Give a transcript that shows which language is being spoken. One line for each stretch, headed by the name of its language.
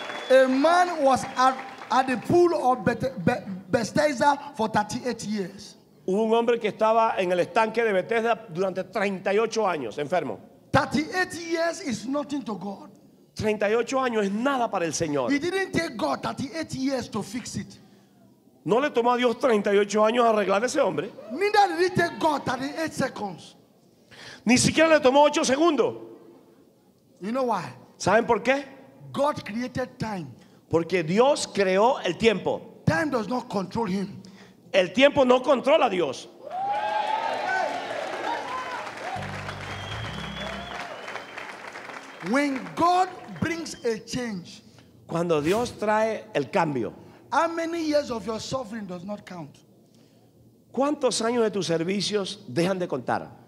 English: A man was at the pool of Bethesda for 38 years.
Spanish: Hubo un hombre que estaba en el estanque de Bethesda durante 38 años, enfermo.
English: 38 years is nothing to God.
Spanish: 38 años es nada para el Señor.
English: He didn't take God 38 years to fix it.
Spanish: No le tomó a Dios 38 años arreglar a ese hombre.
English: Neither did it take God 38 seconds.
Spanish: Ni siquiera le tomó 8 segundos.
English: You know why?
Spanish: ¿Saben por qué?
English: God created time.
Spanish: Porque Dios creó el tiempo.
English: Time does not control him.
Spanish: El tiempo no controla a Dios.
English: When God brings a change,
Spanish: cuando Dios trae el cambio,
English: how many years of your suffering does not count?
Spanish: ¿Cuántos años de tus servicios dejan de contar?